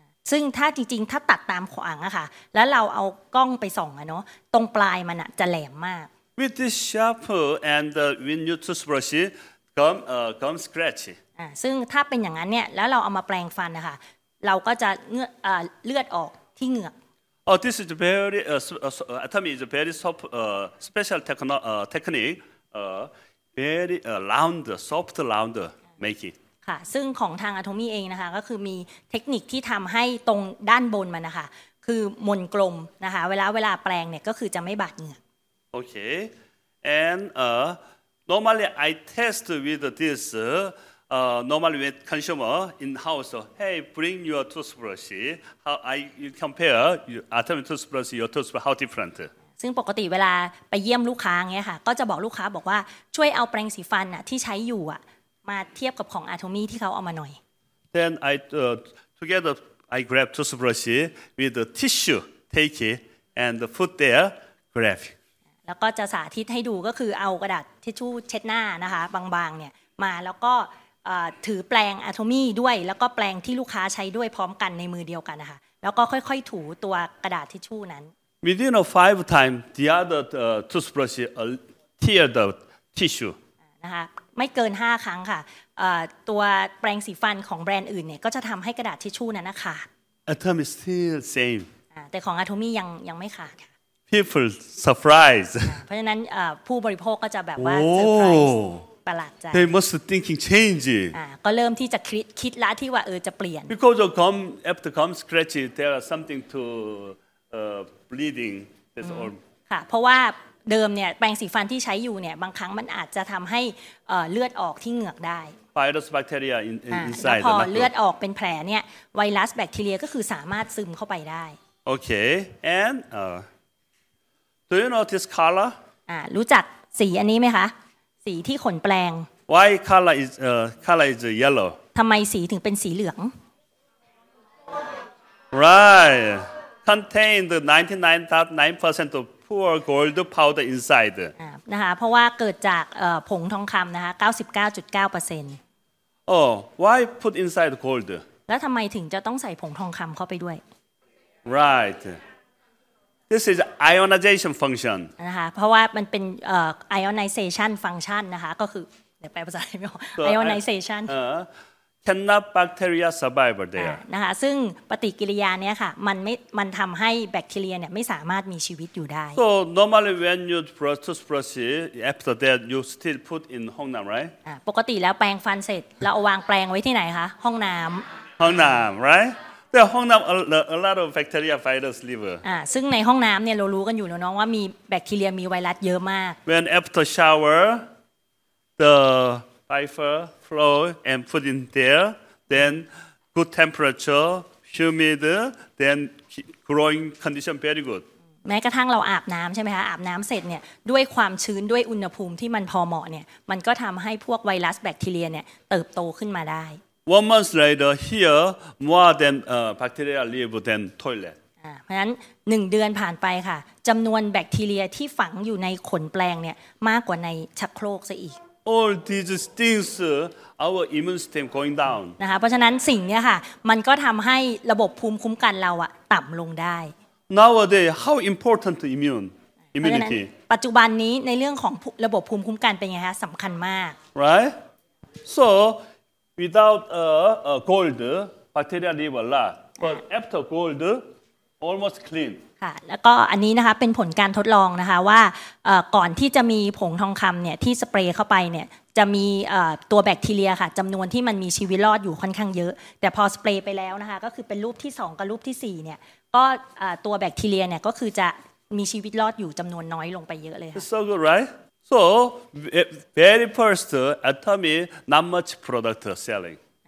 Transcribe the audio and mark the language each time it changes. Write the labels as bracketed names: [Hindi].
[Thai] ซึ่งถ้าจริงๆถ้าตัดตามขวางอะค่ะแล้วเราเอากล้องไปส่องอะเนาะตรงปลายมันอะจะแหลมมาก [English] With this sharper and the when you toothbrush come scratch. [Thai] ซึ่งถ้าเป็นอย่างนั้นเนี่ยแล้วเราเอามาแปรงฟันนะคะเราก็จะเลือดออกที่เหงือก [English] Oh, this is very atomy is a very soft special technique very round soft round making [Thai] ค่ะซึ่งของทางอะโทมี่เองนะคะก็คือมีเทคนิคที่ทำให้ตรงด้านบนมันนะคะคือมนกลมนะคะเวลาแปลงเนี่ยก็คือจะไม่บาดเหงือก [English] โอเค and normally I test with this normally with consumer in house, hey, bring your toothbrush. How I you compare your atomic toothbrush, your toothbrush, how different? [Thai] ซึ่งปกติเวลาไปเยี่ยมลูกค้าเงี้ยค่ะก็จะบอกลูกค้าบอกว่าช่วยเอาแปรงสีฟันอ่ะที่ใช้อยู่อ่ะมาเทียบกับของอะโทมี่ที่เขาเอามาหน่อย [English] Then I together I grab toothbrush with the tissue, take it and put there, grab. [Thai] แล้วก็จะสาธิตให้ดูก็คือเอากระดาษทิชชู่เช็ดหน้านะคะบางๆเนี่ยมาแล้วก็ถือแปลงอะโทมี่ด้วยแล้วก็แปลงที่ลูกค้าใช้ด้วยพร้อมกันในมือเดียวกันนะคะแล้วก็ค่อยๆถูตัวกระดาษทิชชู่นั้น [English] Within a five time the other toothbrush tear the tissue [Thai] นะคะไม่เกิน5ครั้งค่ะตัวแปรงสีฟันของแบรนด์อื่นเนี่ยก็จะทำให้กระดาษทิชชู่นั้นนะคะ [English] Atomy is still same [Thai] แต่ของอะโทมี่ยังไม่ขาดค่ะ [English] People surprise [Thai] เพราะฉะนั้นผู้บริโภคก็จะแบบว่า surprise ประหลาดใจ [English] They must thinking change [Thai] ก็เริ่มที่จะคิดละที่ว่าจะเปลี่ยน [English] Because of gum after gum scratch there are something to bleeding that's all [Thai] ค่ะเพราะว่าเดิมเนี่ยแปรงสีฟันที่ใช้อยู่เนี่ยบางครั้งมันอาจจะทำให้เลือดออกที่เหงือกได้ [English] Virus bacteria inside [Thai] พอเลือดออกเป็นแผลเนี่ยไวรัสแบคทีเรียก็คือสามารถซึมเข้าไปได้ [English] Okay and do you know this color [Thai] รู้จักสีอันนี้ไหมคะสีที่ขนแปลง [English] Why color is yellow [Thai] ทำไมสีถึงเป็นสีเหลือง [English] Right contain the 99.9% of pure gold powder inside [Thai] นะคะเพราะว่าเกิดจากผงทองคำนะคะ 99.9% [English] Oh why put inside gold [Thai] แล้วทำไมถึงจะต้องใส่ผงทองคำเข้าไปด้วย [English] Right This is ionization function. [Thai] นะคะเพราะว่ามันเป็น ionization function นะคะก็คือเดี๋ยวแปลภาษาไม่ออก ionization [English] cannot bacteria survive there. [Thai] นะคะซึ่งปฏิกิริยาเนี้ยค่ะมันทำให้แบคทีเรียเนี่ยไม่สามารถมีชีวิตอยู่ได้ [English] So normally when you brush toothbrush after that you still put in [Thai] ห้องน้ำ [English] right? [Thai] ปกติแล้วแปรงฟันเสร็จเราวางแปรงไว้ที่ไหนคะห้องน้ำ ห้องน้ำ [English] right? [Thai] แต่ห้องน้ำ [English] a lot of bacteria virus liver [Thai] ซึ่งในห้องน้ำเนี่ยเรารู้กันอยู่แล้วน้องว่ามีแบคทีเรียมีไวรัสเยอะมาก [English] when after shower the fiber flow and put in there then good temperature humid then growing condition very good [Thai] แม้กระทั่งเราอาบน้ำใช่ไหมคะอาบน้ำเสร็จเนี่ยด้วยความชื้นด้วยอุณหภูมิที่มันพอเหมาะเนี่ยมันก็ทำให้พวกไวรัสแบคทีเรียเนี่ยเติบโตขึ้นมาได้ [English] One month later, here more than bacteria live than toilet. [Thai] เพราะฉะนั้น1เดือนผ่านไปค่ะจำนวนแบคทีเรียที่ฝังอยู่ในขนแปรงเนี่ยมากกว่าในชักโครกซะอีก [English] All these things our immune system going down. [Thai] นะคะเพราะฉะนั้นสิ่งเนี้ยค่ะมันก็ทำให้ระบบภูมิคุ้มกันเราอะต่ำลงได้ [English] Nowadays, how important to immunity? [Thai] ปัจจุบันนี้ในเรื่องของระบบภูมิคุ้มกันเป็นไงคะสำคัญมาก [English] Right? So. Without gold, bacteria live a lot. But after gold, almost clean. [Thai] ค่ะแล้วก็อันนี้นะคะเป็นผลการทดลองนะคะว่าก่อนที่จะมีผงทองคำเนี่ยที่สเปรย์เข้าไปเนี่ยจะมีตัวแบคทีเรียค่ะจำนวนที่มันมีชีวิตรอดอยู่ค่อนข้างเยอะแต่พอสเปรย์ไปแล้วนะคะก็คือเป็นรูปที่2กับรูปที่4เนี่ยก็ตัวแบคทีเรียเนี่ยก็คือจะมีชีวิตรอดอยู่จำนวนน้อยลงไปเยอะเลยค่ะ [English] So good, right? So very first, Atomy not much product selling.